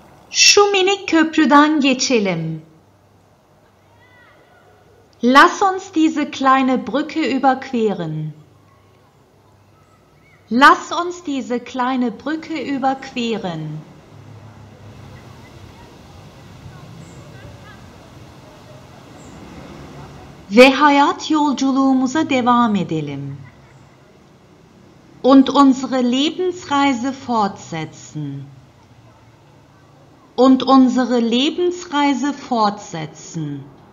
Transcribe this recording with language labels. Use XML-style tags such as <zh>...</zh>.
<tr>Şu minik köprüden geçelim.</tr> <de>Lass uns diese kleine Brücke überqueren. Lass uns diese kleine Brücke überqueren.</de> <tr>Ve hayat yolculuğumuza devam edelim.</tr> <de>Und unsere Lebensreise fortsetzen. Und unsere Lebensreise fortsetzen.</de>